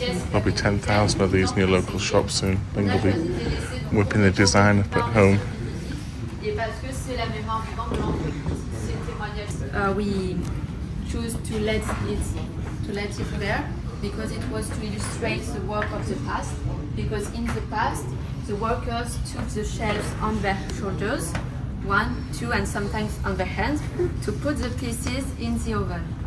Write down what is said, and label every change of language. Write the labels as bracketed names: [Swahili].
[English] There'll be 10,000 of these in your local shop soon. Then you'll be whipping the design up at home. [French] que c'est la mémoire vivante de l'entreprise, c'est le témoignage. [English] We choose to let it there, because it was to illustrate the work of the past, because in the past, the workers took the shelves on their shoulders, one, two, and sometimes on their hands, to put the pieces in the oven.